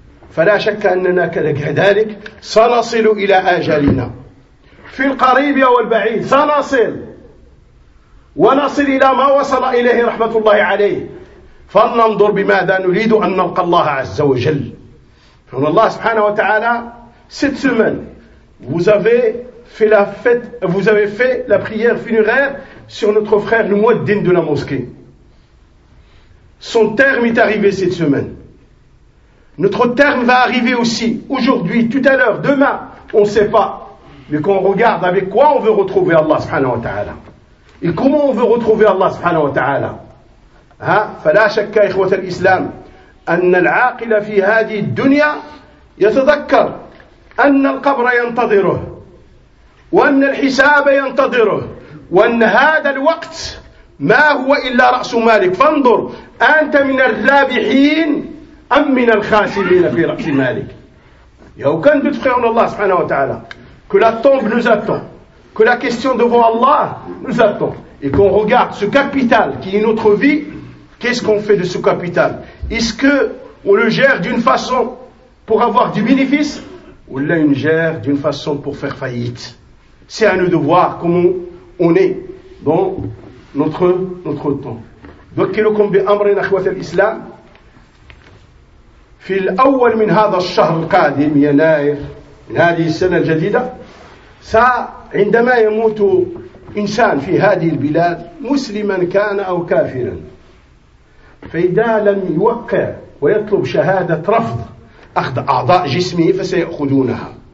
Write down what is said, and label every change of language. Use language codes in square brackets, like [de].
[ar] فلا شك أننا كذلك سنصل إلى آجالنا في القريب أو البعيد، سنصل ونصل إلى ما وصل إليه رحمة الله عليه. فلننظر بماذا نريد أن نلقى الله عز وجل. فإن الله سبحانه وتعالى [fr] cette semaine vous avez fait la fête, vous avez fait la prière funéraire sur notre frère le Mouaddine de la mosquée. Son terme est arrivé cette semaine. Notre terme va arriver aussi, aujourd'hui, tout à l'heure, demain, on ne sait pas. Mais qu'on regarde avec quoi on veut retrouver Allah subhanahu wa ta'ala. Et comment on veut retrouver Allah subhanahu wa ta'ala. [ar] فلا شك إخوة الإسلام أن العاقل في هذه الدنيا يتذكر أن القبر ينتظره وأن الحساب ينتظره وأن هذا الوقت ما هو إلا رأس مالك. فانظر أنت من الرابحين أم من الخاسرين في رأس مالك. يو كان تدخلون الله سبحانه وتعالى كل الطنب نزلتهم كل question devant الله نزلتهم [fr] et qu'on regarde ce capital qui est notre vie, qu'est-ce qu'on fait de ce capital, est-ce que on le gère d'une façon pour avoir du bénéfice ou là on le gère d'une façon pour faire faillite. C'est à nous de voir comment on est dans notre temps. [ar] ذكركم بأمر أخوة الإسلام في الأول من هذا الشهر القادم يناير من هذه السنة الجديدة عندما يموت إنسان في هذه البلاد مسلما كان أو كافرا فإذا لم يوقع ويطلب شهادة رفض أخذ أعضاء جسمه فسيأخذونها